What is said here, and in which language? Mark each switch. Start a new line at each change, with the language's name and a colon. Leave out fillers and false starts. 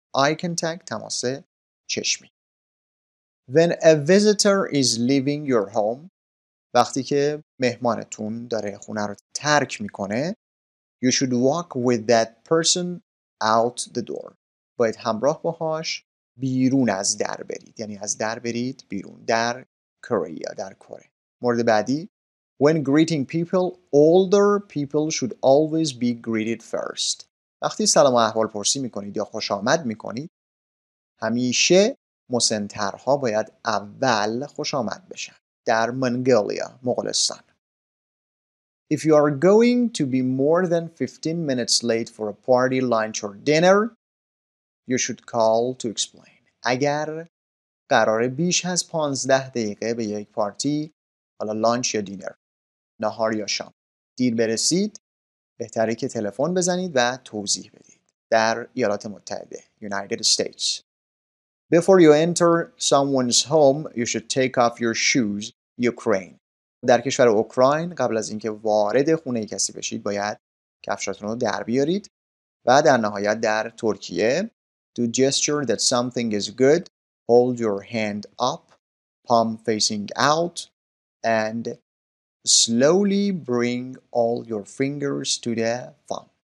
English: Eye contact،
Persian: تماس چشمی.
English: When a visitor is leaving your home،
Persian: وقتی که مهمانتون داره خونه رو ترک میکنه،
English: You should walk with that person out the door.
Persian: باید همراه باهاش بیرون از در برید. یعنی از در برید بیرون. در کره یا در کره. مورد بعدی.
English: When greeting people, older people should always be greeted first.
Persian: وقتی سلام و احوال پرسی میکنید یا خوش آمد میکنید، همیشه مسنترها باید اول خوش آمد بشن. در منگولیا، مغولستان.
English: If you are going to be more than 15 minutes late for a party, lunch or dinner, you should call to explain.
Persian: اگر قراره بیش از 15 دقیقه به یک پارتی، حالا لانچ یا دینر، نهار یا شام، دیر برسید، بهتره که تلفن بزنید و توضیح بدید. در ایالات متحده، United States.
English: Before you enter someone's home, you should take off your shoes, Ukraine.
Persian: در کشور اوکراین قبل از اینکه وارد خونه کسی بشید باید کفشاتون رو در بیارید و در نهایت در ترکیه
English: to gesture that something is good hold your hand up palm facing out and slowly bring all your fingers to the thumb.